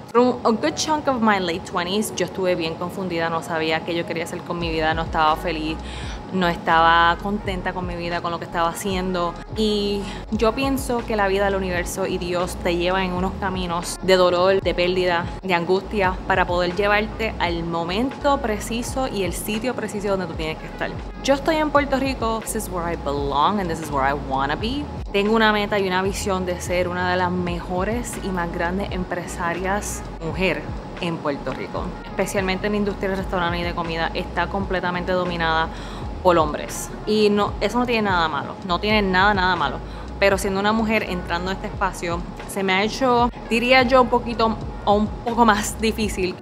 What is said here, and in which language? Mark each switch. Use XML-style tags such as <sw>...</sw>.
<en>Through a good chunk of my late 20s,</en> <es>yo estuve bien confundida, no sabía qué yo quería hacer con mi vida, no estaba feliz, no estaba contenta con mi vida, con lo que estaba haciendo. Y yo pienso que la vida, el universo y Dios te llevan en unos caminos de dolor, de pérdida, de angustia, para poder llevarte al momento preciso y el sitio preciso donde tú tienes que estar. Yo estoy en Puerto Rico.</es> <en>This is where I belong and this is where I wanna be.</en> <es>Tengo una meta y una visión de ser una de las mejores y más grandes empresarias mujer en Puerto Rico. Especialmente en la industria del restaurante y de comida, está completamente dominada por hombres. Y no, eso no tiene nada malo, no tiene nada, nada malo. Pero siendo una mujer entrando a este espacio, se me ha hecho, diría yo, un poquito o un poco más difícil.</es>